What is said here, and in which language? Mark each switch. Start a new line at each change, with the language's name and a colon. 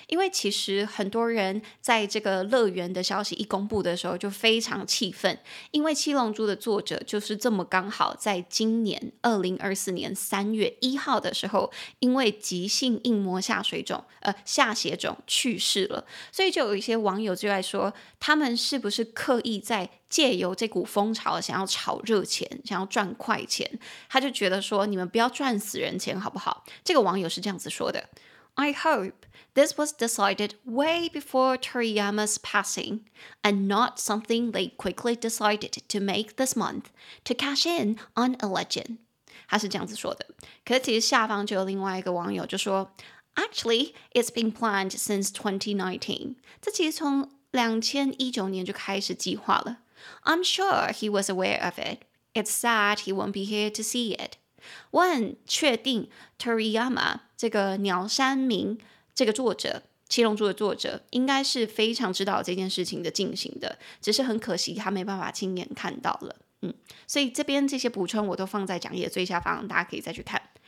Chinese: 因为其实很多人在这个乐园的消息一公布的时候就非常气愤，因为七龙珠的作者就是这么刚好在今年2024年3月1号的时候因为急性硬膜下水肿下血肿去世了。所以就有一些网友就在说，他们是不是刻意在借由这股风潮想要炒热钱，想要赚快钱。他就觉得说，你们不要赚死人钱好不好。这个网友是这样子说的，
English: I hope this was decided way before Toriyama's passing and not something they quickly decided to make this month to cash in on a legend.
Chinese: 他是这样子说的，可是其实下方就有另外一个网友就说
English: Actually, it's been planned since 2019.
Chinese: 这其实从2019年就开始计划了。
English: I'm sure he was aware of it. It's sad he won't be here to see it.
Chinese: 我很确定 Toriyama, 这个鸟山明这个作者，七龙珠的作者应该是非常知道这件事情的进行的，只是很可惜他没办法亲眼看到了。所以这边这些补充我都放在讲义的最下方，大家可以再去看。